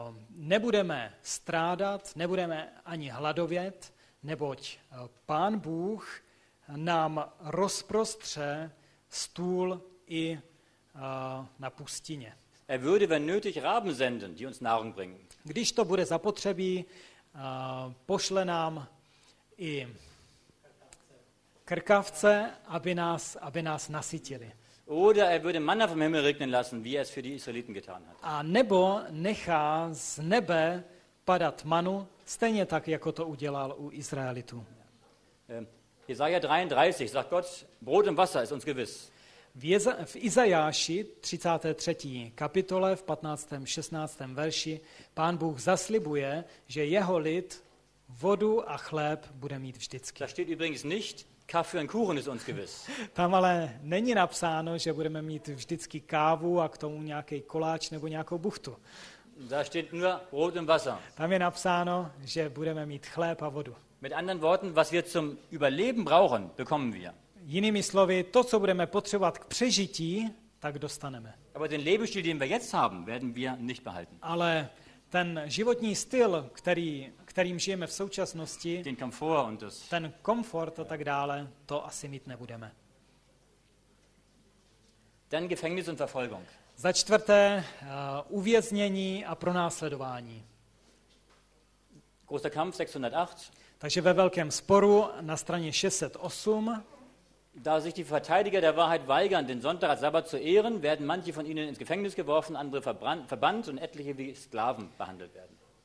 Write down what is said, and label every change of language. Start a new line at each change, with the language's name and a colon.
Czech: Nebudeme strádat, nebudeme ani hladovět, neboť Pán Bůh nám rozprostře stůl i na pustině.
German: Er würde, wenn nötig, Raben senden, die uns Nahrung bringen.
Czech: Když to bude zapotřebí, pošle nám i krkavce, aby nás nasytili.
German: Oder er würde Manna vom Himmel regnen lassen, wie es für die Israeliten getan hat.
Czech: A nebo nechá z nebe padat manu, stejně tak, jako to udělal u Izraelitu.
German: Jesaja 33 sagt Gott, Brot und Wasser ist uns gewiss.
Czech: V Izajáši 33. kapitole v 15. 16. verši Pán Bůh zaslibuje, že jeho lid vodu a chléb bude mít vždycky.
German: Da steht übrigens nicht, Kaffee und Kuchen ist uns gewiss.
Czech: Tam ale není napsáno, že budeme mít vždycky kávu a k tomu nějaký koláč nebo nějakou buchtu.
German: Da steht nur Brot und Wasser.
Czech: Tam je napsáno, že budeme mít chléb a vodu.
German: Mit anderen Worten, was wir zum Überleben brauchen, bekommen wir.
Czech: Jinými slovy, to, co budeme potřebovat k přežití, tak dostaneme.
German: Aber den Lebensstil, den wir jetzt haben, werden wir nicht behalten.
Czech: Ale ten životní styl, kterým žijeme v současnosti,
German: den Komfort und das,
Czech: ten komfort a tak dále, to asi mít nebudeme.
German: Dann Gefängnis und Verfolgung.
Czech: Za čtvrté, uvěznění a pronásledování.
German: Großer Kampf 608.
Czech: Takže ve velkém sporu na straně 608.
German: Da sich die Verteidiger der Wahrheit weigern, den Sonntag als Sabbat zu ehren, werden manche von ihnen ins Gefängnis geworfen, andere verbannt und etliche wie Sklaven behandelt werden.